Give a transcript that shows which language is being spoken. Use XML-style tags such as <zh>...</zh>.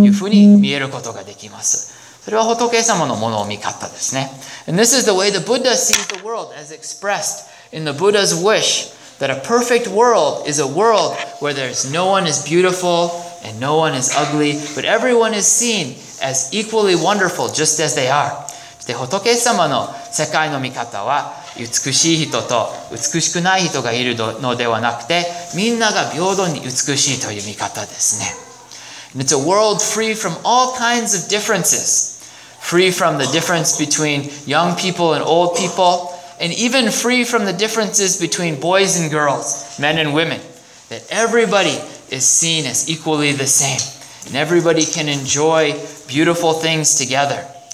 <ja>そして世界を平等に見る。この人が美しい。この人綺麗じゃない。この人が大切な人。この人は大切な人じゃないとか。そういう考え方じゃなくて、みんな平等に同じように大切なものだというふうに見えることができます。それは仏様のものを見方ですね。</ja> <en>And this is the way the Buddha sees the world as expressed in the Buddha's wish that a perfect world is a world where there's no one is beautiful and no one is ugly, but everyone is seen as equally wonderful just as they are.</en> <ja>そして仏様の世界の見方は美しい人と美しくない人がいるのではなくて、みんなが平等に美しいという見方ですね。</ja> <en>And it's a world free from all kinds of differences. Free from the difference between young people and old people, and even free from the differences between boys and girls, men and women, that everybody is seen as equally the same, and everybody can enjoy beautiful things together.</en>